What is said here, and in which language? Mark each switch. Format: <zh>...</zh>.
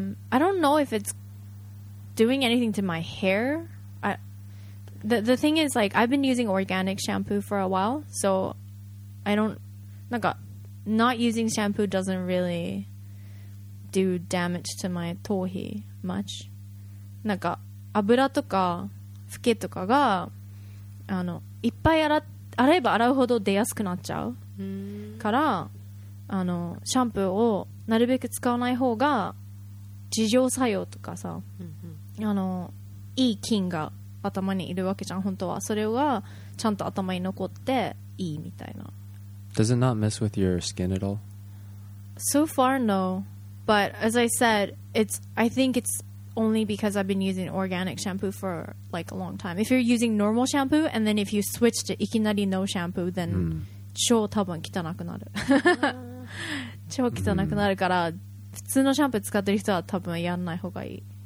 <en>I don't know if it's doing anything to my hair The thing is, like, I've been using organic shampoo for a while, so I don't, not using shampoo doesn't really do damage to my 頭皮 much.</en> <ja>なんか油とかフケとかがあのいっぱい洗えば洗うほど出やすくなっちゃうからあのシャンプーをなるべく使わない方が自浄作用とかさあのいい菌が頭にいるわけじゃん本当はそれはちゃんと頭に残っていいみたいな</ja> <en>Does it not mess with your skin at all? So far no But as I said it's, I think it's only because I've been using organic shampoo for like a long time If you're using normal shampoo and then if you switch to いきなり no shampoo then</en> <ja>超多分汚くなる超汚くなるから普通のシャンプー使ってる人は多分やんない方がいい</ja>